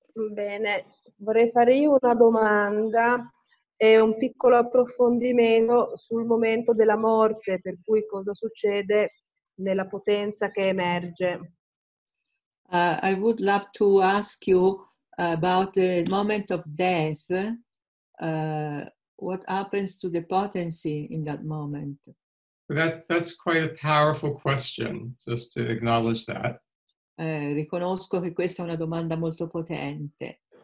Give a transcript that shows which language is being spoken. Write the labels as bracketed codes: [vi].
[it] Bene, vorrei fare io una domanda e un piccolo approfondimento sul momento della morte, per cui cosa succede nella potenza che emerge. [en] I would love to ask you about the moment of death. What happens to the potency in that moment? That's quite a powerful question, just to acknowledge that. [it] Riconosco che questa è una domanda molto potente.